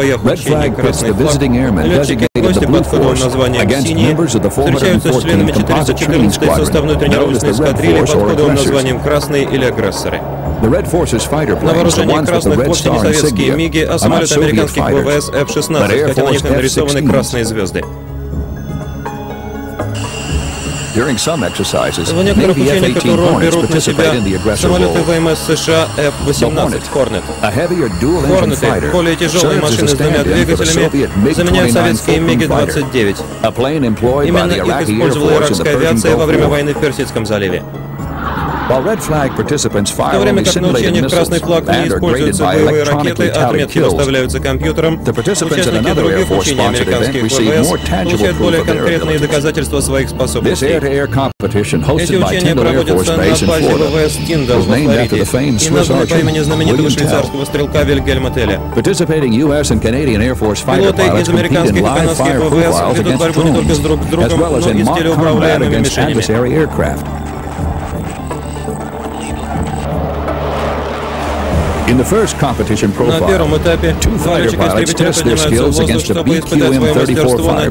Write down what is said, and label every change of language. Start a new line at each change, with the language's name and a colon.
English: Red Flag puts the visiting airmen designated the Blue Force against members of the 414 composite training squadron, known as the Red Force or Aggressors. The Red Force's fighter planes, the ones with the Red Star insignia, are not Soviet fighters, but Air Force F-16,
Russian: хотя на них нарисованы красные звезды.
English: Red Flag puts the visiting airmen designated the Blue Force against members of the 414 During some exercises,
Russian: в некоторых учениях эту роль берут на себя самолеты ВМС США F-18 Hornet. Hornet, более тяжелые машины с двумя двигателями, заменяют советские МиГ-29. Именно их использовала иракская авиация во время войны в Персидском заливе.
English: While Red Flag participants fire
Russian: в то время как на учениях Красный Флаг не используются боевые ракеты, отметки доставляются компьютером, участники других учений американских ВВС получают более конкретные доказательства своих способностей. Эти учения проводятся на базе ВВС Тиндал во Флориде и названы по имени знаменитого швейцарского стрелка Вильгельма Телля. Пилоты из американских и канадских ВВС ведут борьбу не только с друг с другом, но и с телеуправляемыми мишенями.
English: In the first competition profile, two fighter pilots test their skills against a BQM-34